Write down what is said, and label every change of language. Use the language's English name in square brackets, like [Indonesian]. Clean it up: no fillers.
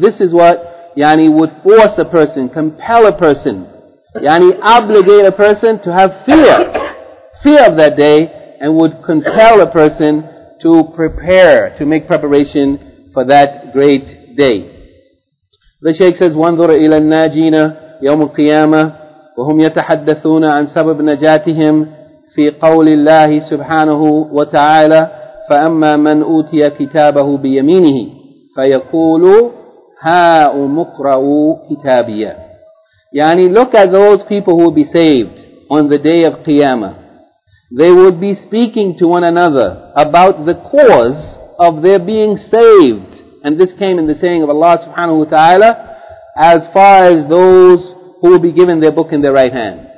[English] This is what يعني would force a person, compel a person, يعني obligate a person to have fear of that day, and would compel a person to prepare, to make preparation for that great day. The Shaykh says, [Arabic] وَانْظُرْ إِلَى النَّاجِينَ يَوْمُ الْقِيَامَةِ وَهُمْ يَتَحَدَّثُونَ عَنْ سَبَبْ نَجَاتِهِمْ فِي قَوْلِ اللَّهِ سُبْحَانَهُ وَتَعَالَى فَأَمَّا مَنْ أُوْتِيَ كِتَابَهُ بِيَمِينِهِ فَيَقُولُ هَا أُمُقْرَأُ كِتَابِيَ. [English] Yani, look at those people who will be saved on the day of Qiyamah. They would be speaking to one another about the cause of their being saved. And this came in the saying of Allah subhanahu wa ta'ala, as far as those who will be given their book in their right hand.